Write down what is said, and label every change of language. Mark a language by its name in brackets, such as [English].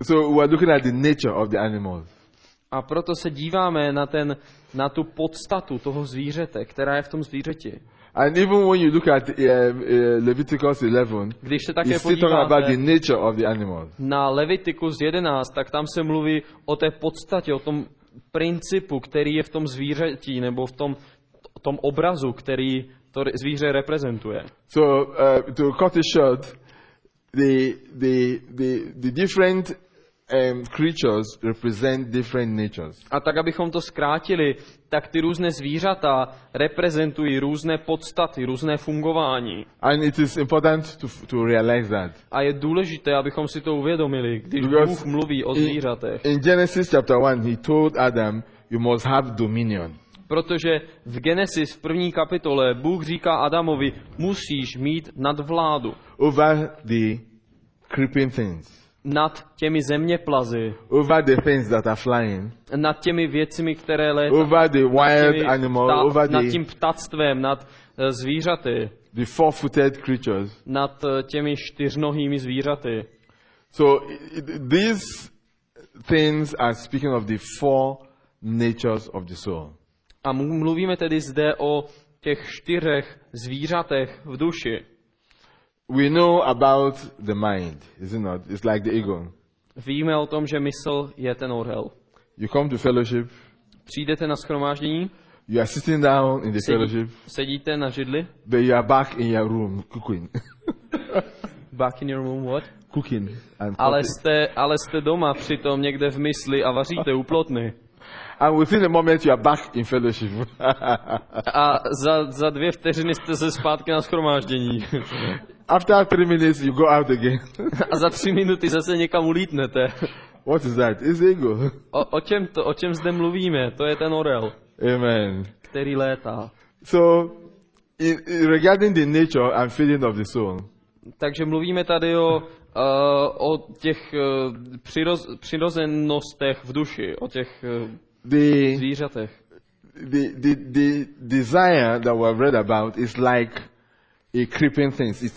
[English] So we are looking at the nature of the animals. [Czech] A proto se díváme na tu podstatu toho zvířete, která je v tom zvířeti. [English] And even when you look at Leviticus 11, [Czech] když se také podíváte, [English] talking about the nature of the animal. [Czech] Na Leviticus 11, tak tam se mluví o té podstatě, o tom principu, který je v tom zvířeti nebo v tom obrazu, který to zvíře reprezentuje. [English] So to cut it short, the different creatures represent different natures. [Czech] A tak abychom to zkrátili, tak ty různé zvířata reprezentují různé podstaty, různé fungování. [English] And it is important to realize that. [Czech] A je důležité, abychom si to uvědomili, když Bůh mluví o zvířatech. [English] In Genesis chapter 1 he told Adam you must have dominion. [Czech] Protože v Genesis v první kapitole Bůh říká Adamovi musíš mít nadvládu. [English] Over the creeping things. [Czech] Nad těmi zeměplazy. [English] Over the things that are flying. [Czech] Nad těmi věcmi, které létají. [English] Over the wild animal, over [Czech] nad tím ptactvem, nad zvířaty. [English] The four-footed creatures. [Czech] Nad těmi čtyřnohými zvířaty. [English] So these things are speaking of the four natures of the soul. [Czech] A mluvíme tedy zde o těch čtyřech zvířatech v duši. [English] We know about the mind, is it not? It's like the ego. [Czech] Víme o tom, že mysl je ten orel. [English] You come to fellowship. [Czech] Přijdete na shromáždění. [English] You are sitting down in the fellowship. [Czech] Sedíte na židli. [English] But you are back in your room cooking. Back in your room what? Cooking. [Czech] Ale jste doma přitom někde v mysli a vaříte u plotny. [English] And within a moment you are back in fellowship. [Czech] A za dvě vteřiny jste se zpátky na shromáždění. [English] After 3 minutes you go out again. [Czech] A za 3 minuty zase někam ulítnete. [English] What is that? It's ego. [Czech] O čem zde mluvíme? To je ten orel. [English] Amen. [Czech] Který létá. [English] So regarding the nature and feeling of the soul. [Czech] Takže mluvíme tady o těch přirozenostech v duši, o těch zvířatech. [English] The desire that we've read about is like a creeping things.